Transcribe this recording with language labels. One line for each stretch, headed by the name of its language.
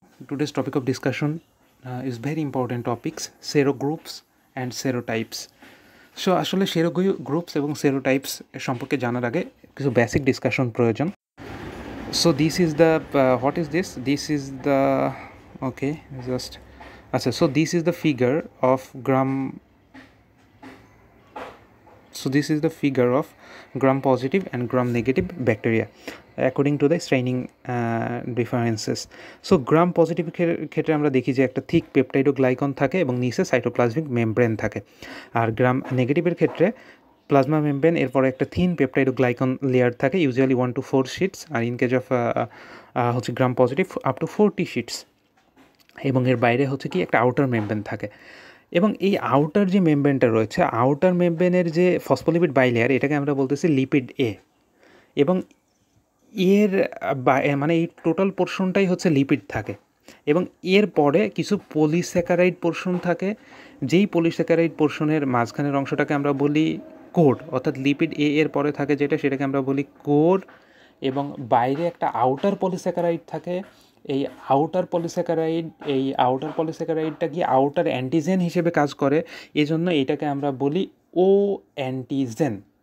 English: Today's topic of discussion is very important topics, serogroups and serotypes.
Bangla: So, আসলে serogroups এবং serotypes সম্পর্কে জানার আগে কিছু
English: basic discussion
Bangla: প্রয়োজন.
English: So, this is the what is this? This is the okay, just so this is the figure of gram. So this is the figure of gram positive and gram negative bacteria according to the straining differences. So gram positive
Bangla: ক্ষেত্রে আমরা দেখি যে একটা
English: thick peptidoglycan থাকে এবং নিচে cytoplasmic membrane থাকে, আর gram negative
Bangla: এর ক্ষেত্রে
English: plasma membrane এরপর একটা thin peptidoglycan layer থাকে, usually 1 to 4 sheets, আর in case of হচ্ছে gram positive up to 40 sheets,
Bangla: এবং এর বাইরে হচ্ছে কি একটা
English: outer membrane থাকে.
Bangla: এবং এই আউটার যে মেমব্রেনটা রয়েছে, আউটার মেমব্রেনের যে ফসফোলিপিড বাইলেয়ার এটাকে আমরা বলতেছি লিপিড এ, এবং এর মানে এই টোটাল পোরশনটাই হচ্ছে লিপিড থাকে, এবং এর পরে কিছু পলিস্যাকারাইড পোরশন থাকে, যেই পলিস্যাকারাইড পোরশনের মাঝখানের অংশটাকে আমরা বলি কোর, অর্থাৎ লিপিড এ এর পরে থাকে যেটা সেটাকে আমরা বলি কোর, এবং বাইরে একটা আউটার পলিস্যাকারাইড থাকে, এই আউটার পলিস্যাকারাইড, এই আউটার পলিস্যাকারাইডটা কি আউটার অ্যান্টিজেন হিসেবে কাজ করে, এজন্য এটাকে আমরা বলি ও অ্যান্টিজেন.